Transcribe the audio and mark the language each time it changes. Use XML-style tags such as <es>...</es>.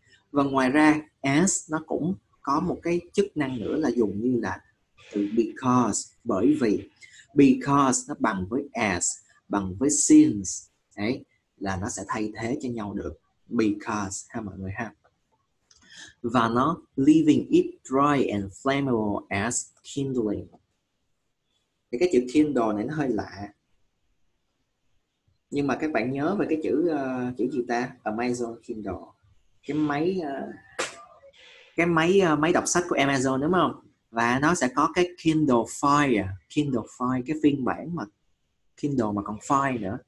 <vi>Và ngoài ra as nó cũng có một cái chức năng nữa là dùng như là từ because, bởi vì, because nó bằng với as, bằng với since, đấy là nó sẽ thay thế cho nhau được, because ha mọi người ha. Và nó</vi> <en>leaving it dry and flammable as kindling.</en> <vi>Thì cái chữ kindle này nó hơi lạ, nhưng mà các bạn nhớ về cái chữ gì ta, Amazon Kindle, cái máy đọc sách của Amazon, đúng không? Và nó sẽ có cái Kindle Fire, cái phiên bản mà Kindle mà còn Fire nữa.</vi>